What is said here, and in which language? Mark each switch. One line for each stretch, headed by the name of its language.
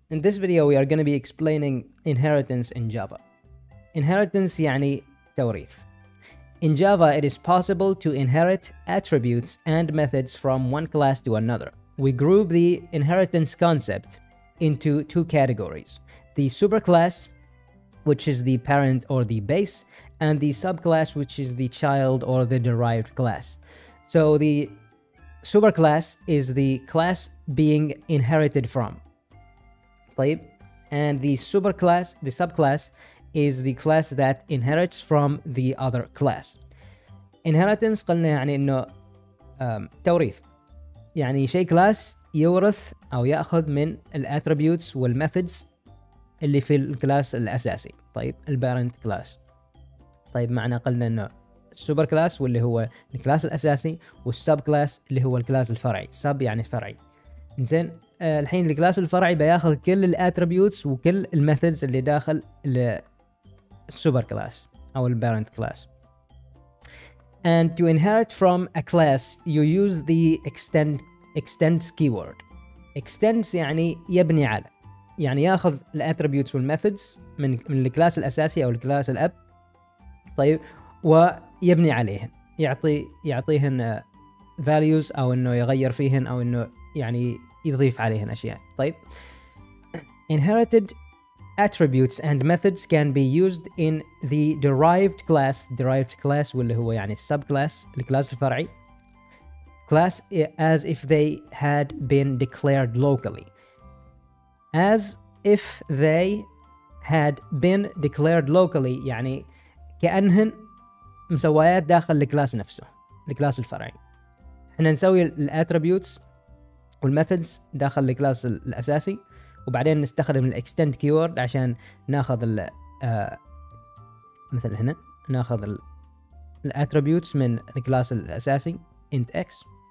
English: In this video, we are going to be explaining inheritance in Java.
Arabic: Inheritance يعني توريث.
English: In Java, it is possible to inherit attributes and methods from one class to another. We group the inheritance concept into two categories: the superclass, which is the parent or the base, and the subclass, which is the child or the derived class. So the superclass is the class being inherited from. And the superclass, the subclass, is the class that inherits from the other class.
Arabic: Inheritance قلنا يعني إنه توريث يعني شيء class يورث أو يأخذ من
English: the attributes
Arabic: والmethods اللي في الclass الأساسي. طيب
English: the parent class.
Arabic: طيب معنى قلنا إنه superclass واللي هو الclass الأساسي والsubclass اللي هو الclass الفرعي. Sub يعني فرعي. إنزين الحين الكلاس الفرعي بياخذ كل الاتريبيوتس وكل الميثودز اللي داخل السوبر كلاس او البارنت كلاس.
English: And to inherit from a class you use the extends keyword.
Arabic: Extends يعني يبني على, يعني ياخذ الاتريبيوتس والميثودز من الكلاس الاساسي او الكلاس الاب, طيب, ويبني عليهم, يعطيهن values او انه يغير فيهن او انه يعني يضيف عليهن أشياء. طيب
English: inherited attributes and methods can be used in the derived class. Derived class
Arabic: واللي هو يعني
English: subclass
Arabic: الكلاس الفرعي
English: class, as if they had been declared locally, as if they had been declared locally,
Arabic: يعني كأنهن مسويات داخل الكلاس نفسه الكلاس الفرعي. احنا نسوي الattributes والmethods داخل الكلاس الأساسي وبعدين نستخدم الاكستند كيورد عشان ناخذ ال مثل هنا ناخذ الاتريبيوتس من الكلاس الأساسي int x.